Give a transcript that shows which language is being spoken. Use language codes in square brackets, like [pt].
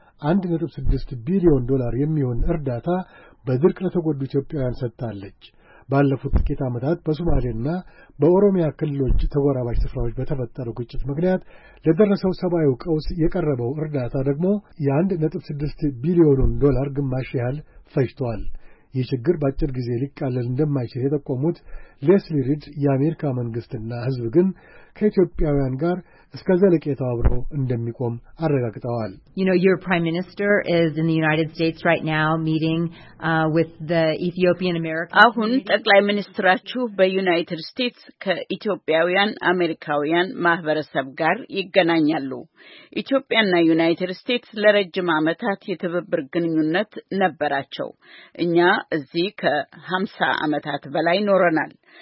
[am] 1.6 ቢሊዮን ዶላር የሚሆን እርዳታ በድርቅ ለተጎዱ ኢትዮጵያውያን ሰጥታለች። ባለፉት ጥቂት አመታት በሶማሌና በኦሮሚያ ክልሎች ተጎራባች ስፍራዎች በተፈጠሩ ግጭቶች ምክንያት ለደረሰው ሰብአዊ ቀውስ የቀረበው እርዳታ ደግሞ የ1.6 ቢሊዮን ዶላር ግማሽ ያህል ፈጅቷል። ይህ ችግር በአጭር ጊዜ ሊቃለል እንደማይችል የጠቆሙት ሌስሊ ሪድ የአሜሪካ መንግስትና ህዝብ ግን ከኢትዮጵያውያን ጋር እስከ ዘለቄታው አብረው እንደሚቆም አረጋግጠዋል። [en] You know, your prime minister is in the United States right now meeting with the Ethiopian American. [am] አሁን ጠቅላይ ሚኒስትራችሁ በዩናይትድ ስቴትስ ከኢትዮጵያውያን አሜሪካውያን ማህበረሰብ ጋር ይገናኛሉ። ኢትዮጵያና ዩናይትድ ስቴትስ ለረጅም አመታት የትብብር ግንኙነት ነበራቸው። እኛ እዚህ ከ50 አመታት በላይ ኖረናል።